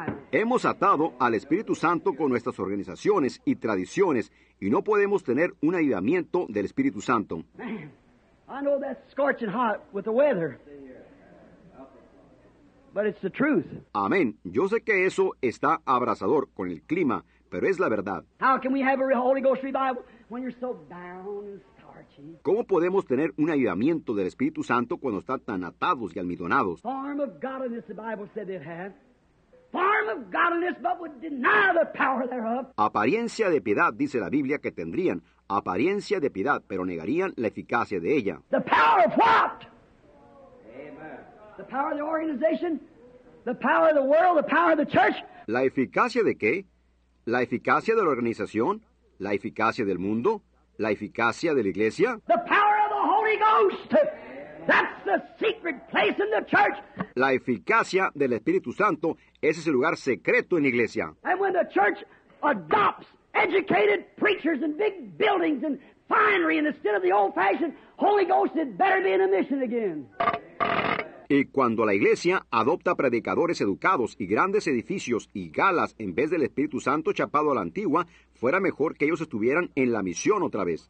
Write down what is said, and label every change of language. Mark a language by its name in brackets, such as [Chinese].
[Spanish] Hemos atado al Espíritu Santo con nuestras organizaciones y tradiciones, y no podemos tener un avivamiento del Espíritu Santo. [English] Man, I know that's scorching hot with the weather, but it's the truth. [Spanish] Amén. Yo sé que eso está abrasador con el clima, pero es la verdad. [English] How can we have a Holy Ghost revival when you're so down and starchy? [Spanish] ¿Cómo podemos tener un avivamiento del Espíritu Santo cuando están tan atados y almidonados? [English] Form of godliness, the Bible said they'd have. Form of godliness, but would deny the power thereof. [Spanish] Apariencia de piedad, dice la Biblia, que tendrían. Apariencia de piedad, pero negarían la eficacia de ella. [English] The power of what? Amen. The power of the organization? The power of the world? The power of the church? [Spanish] ¿La eficacia de qué? ¿La eficacia de la organización? ¿La eficacia del mundo? ¿La eficacia de la iglesia? [English] The power of the Holy Ghost. That's the secret place in the church. [Spanish] La eficacia del Espíritu Santo es ese lugar secreto en la iglesia. [English] And when the church adopts educated preachers and big buildings and finery and instead of the old-fashioned Holy Ghost, it better be in a mission again. [Spanish] Y cuando la iglesia adopta predicadores educados y grandes edificios y galas en vez del Espíritu Santo chapado a la antigua, fuera mejor que ellos estuvieran en la misión otra vez.